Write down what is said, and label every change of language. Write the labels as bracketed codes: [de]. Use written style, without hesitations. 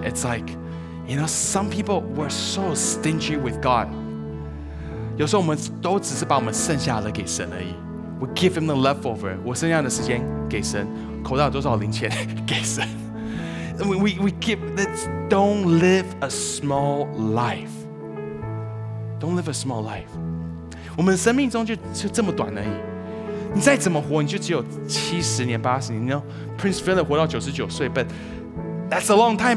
[en] It's like, you know, some people were so stingy with God. [zh] 有时候我们都只是把我们剩下的给神而已。 [en] We give him the leftover. [zh] 我剩下的时间给神，口袋有多少零钱给神。 [en] We give. Don't live a small life. Don't live a small life. [zh] 我们生命中 就这么短而已，你再怎么活，你就只有七十年、八十年。 [en] You know, Prince Philip [zh] 活到九十九岁 [en] ，but that's a long time.